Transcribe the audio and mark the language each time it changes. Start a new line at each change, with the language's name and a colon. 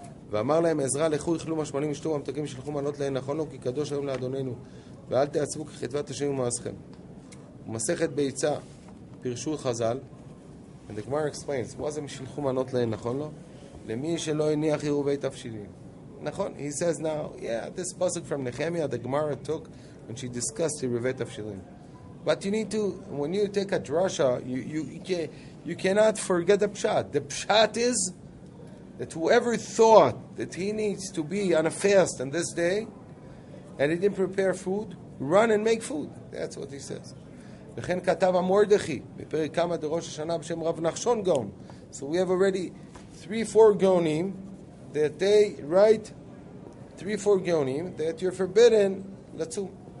Hebrew: ואמר להם עזרא, לכו יכלו משמנים ושתו ממתקים שלחו מנות להן נכונו, כי קדוש היום לאדוננו, ואל תעצבו כחטבת השם ומעשכם. ומסכת ביצה, פרשו חז"ל,
English: and the Gemara explains,
Hebrew: מה זה משלחו מנות להן נכונו? למי שלא הניח עירובי תפשילים.
English: נכון, he says now, yeah, this pasuk from Nehemiah, the Gemara took, and she discussed the Rivet of Shilin. But you need to, when you take a drasha, you cannot forget the pshat. The pshat is that whoever thought that he needs to be on a fast on this day, and he didn't prepare food, run and make food. That's what he says.
Hebrew: וכן כתב המורדכי, בפרק כמה דרוש השנה בשם רב נחשון גאון.
English: So we have already 3-4 גאונים, that they write 3-4 גאונים, that you're forbidden לצום.